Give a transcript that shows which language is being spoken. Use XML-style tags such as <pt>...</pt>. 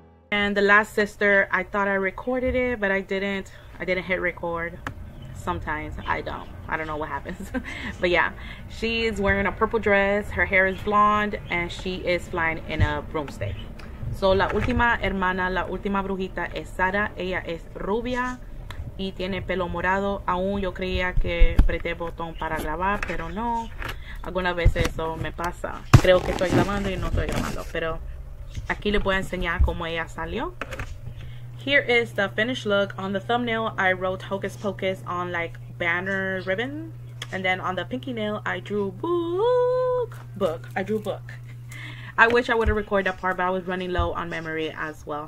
<en>And the last sister, I thought I recorded it, but I didn't. I didn't hit record. Sometimes I don't. I don't know what happens. But yeah, she is wearing a purple dress. Her hair is blonde and she is flying in a broomstick.</en> <es>So la última hermana, la última brujita es Sara. Ella es rubia y tiene pelo morado. Aún yo creía que apreté el botón para grabar, pero no. Algunas veces eso me pasa. Creo que estoy grabando y no estoy grabando, pero... Aquí le voy a enseñar cómo ella salió.</es> <en>Here is the finished look. On the thumbnail, I wrote Hocus Pocus on like banner ribbon. And then on the pinky nail, I drew book. I drew book. I wish I would have recorded that part, but I was running low on memory as well.</en>